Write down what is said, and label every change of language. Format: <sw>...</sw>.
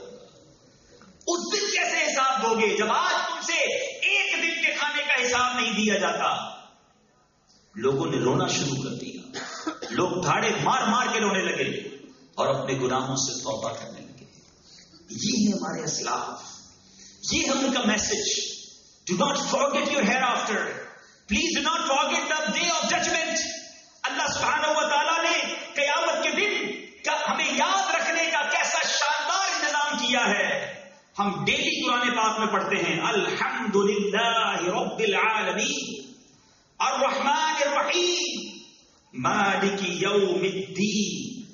<ur>اس دن کیسے حساب دوگے جب آج تم سے ایک دن کے کھانے کا حساب نہیں دیا جاتا. لوگوں نے رونا شروع کر دیا, لوگ دھاڑے مار مار کے رونے لگے اور اپنے گناہوں سے توبہ کرنے لگے. یہ ہے ہمارے اسلاف, یہ ہے ان کا message.</ur> <en>Do not forget your hereafter. Please do not forget the day of judgment.</en> <ur>اللہ سبحانہ و تعالی نے قیامت کے دن کا ہمیں یاد رکھنے کا کیسا شاندار انتظام کیا ہے. ہم ڈیلی قرآن پاک میں پڑھتے ہیں,</ur> <ar>الحمدللہ رب العالمین, الرحمن الرحیم, مالک یوم الدین.</ar>